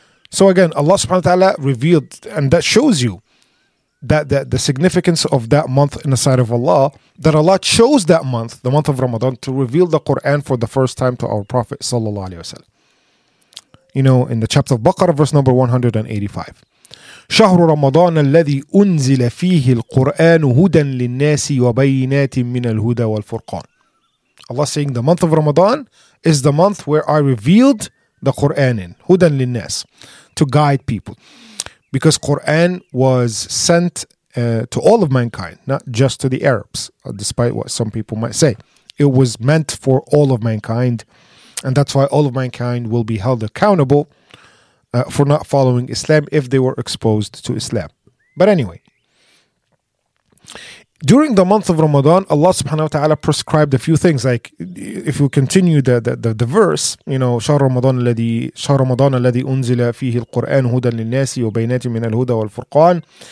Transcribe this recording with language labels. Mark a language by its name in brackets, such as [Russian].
[English] So again, Allah subhanahu wa ta'ala revealed, and that shows you that the significance of that month in the sight of Allah, that Allah chose that month, the month of Ramadan, to reveal the Quran for the first time to our Prophet sallallahu alaihi wasallam. you know, in the chapter of Baqarah, verse number 185. [Arabic] شهر رمضان الذي أنزل فيه القرآن هدى للناس وبينات من الهدى والفرقان. [English] Allah is saying the month of Ramadan is the month where I revealed the Quran in, [Arabic] هدى للناس, [English] to guide people. Because Quran was sent to all of mankind, not just to the Arabs, despite what some people might say. It was meant for all of mankind, and that's why all of mankind will be held accountable for not following Islam if they were exposed to Islam. But anyway, during the month of Ramadan, Allah subhanahu wa ta'ala prescribed a few things. Like, if we continue the verse, you know, [Arabic] شهر رمضان الذي أنزل فيه القرآن هدى للناس وبينات من الهدى والفرقان.